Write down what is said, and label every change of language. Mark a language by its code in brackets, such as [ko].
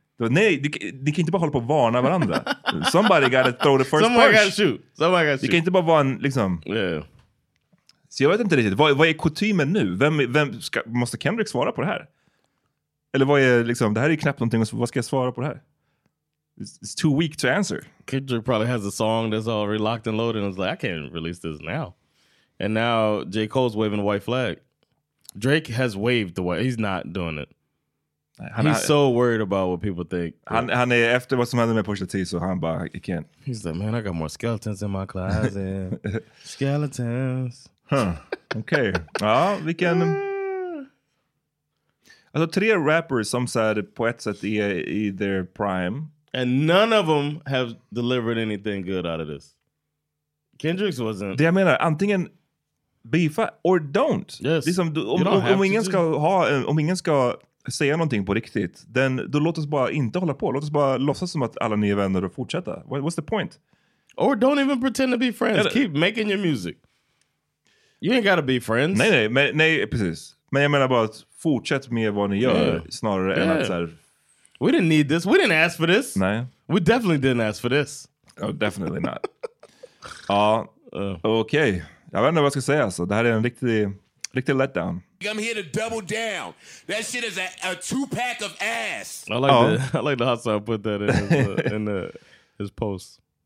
[sv] Nej, ni kan inte bara hålla på och varna varandra. [en] Somebody gotta throw the first punch. Somebody gotta shoot. Somebody gotta shoot. [sv] Det kan inte bara vara en, liksom. [en] Yeah. [sv] Så jag vet inte riktigt. Vad är kutymen nu? Vem ska, måste Kendrick svara på det här? Eller vad är, liksom, det här är knappt någonting. Vad ska jag svara på det här? [en] It's too weak to answer. Kendrick probably has a song that's already locked and loaded. And it's like, I can't release this now. And now J. Cole's waving a white flag. Drake has waved the white. He's not doing it. He's so worried about what people think. [sv] Han är efter vad som hände med Pusha T, så han bara, [en] I can't. He's like, man, I got more skeletons in my closet. Skeletons. [sv] Huh. Okay. Ja, vi kan. Alltså, tre rappers som said på ett sätt i [en] their prime. And none of them have delivered anything good out of this. Kendrick's wasn't. [sv] Det jag menar, antingen beefa [en] or don't. Yes. [sv] Liksom, om ingen ska säga någonting på riktigt, [en] then, [sv] då låt oss bara inte hålla på. Låt oss bara låtsas som att alla ni är vänner och fortsätta. [en] What's the point? Or don't even pretend to be friends. [sv] Eller, [en] keep making your music. You ain't gotta be friends. [sv] Nej, precis. Men jag menar bara att fortsätt med vad ni gör, snarare än att så här. [en] We didn't need this. We didn't ask for this. [sv] Nej. [en] We definitely didn't ask for this. Oh, definitely not. [sv] Ja, okej. [en] Okay. [sv] Jag vet inte vad jag ska säga, alltså. Det här är en riktig letdown. [en] I'm here to double down. That shit is a two-pack of ass. I like the hot sauce put that in his post.